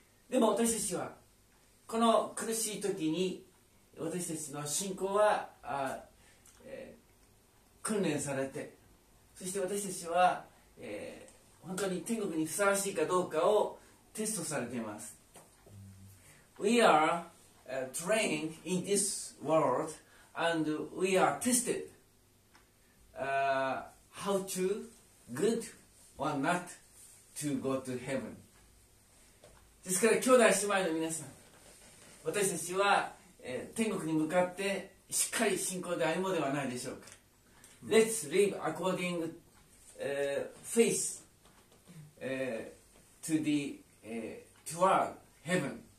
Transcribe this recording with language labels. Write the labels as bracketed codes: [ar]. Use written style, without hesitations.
[ja] でも私たちはこの苦しい時に私たちの信仰は訓練されて、そして私たちは、本当に天国にふさわしいかどうかをテストされています。 [en] We are trained in this world and we are tested how to good or not to go to heaven。 [ja] ですから兄弟姉妹の皆さん、私たちは、天国に向かってしっかり信仰で歩もうではないでしょうか。 [en] うん、Let's live according faith to the toward heaven。